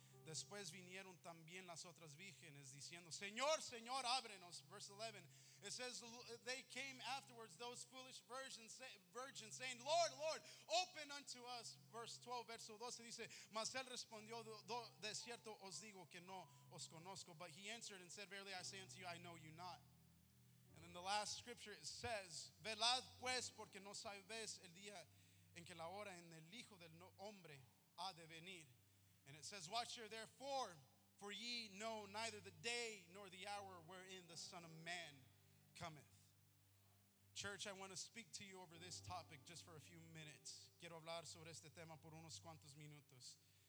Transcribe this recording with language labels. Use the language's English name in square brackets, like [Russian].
[Spanish] Después vinieron también las otras vírgenes diciendo, Señor, Señor, ábrenos. [English] Verse 11. It says, they came afterwards, those foolish virgins saying, Lord, Lord, open unto us. Verse 12, [Spanish] verso 12 dice, mas él respondió, de cierto os digo que no os conozco. [English] But he answered and said, verily I say unto you, I know you not. And then the last scripture, it says, [Spanish] velad pues, porque no sabéis el día en que la hora en el Hijo del Hombre ha de venir. [English] And it says, watch here, therefore, for ye know neither the day nor the hour wherein the Son of Man cometh. Church, I want to speak to you over this topic just for a few minutes. [Spanish] Quiero hablar sobre este tema por unos cuantos minutos.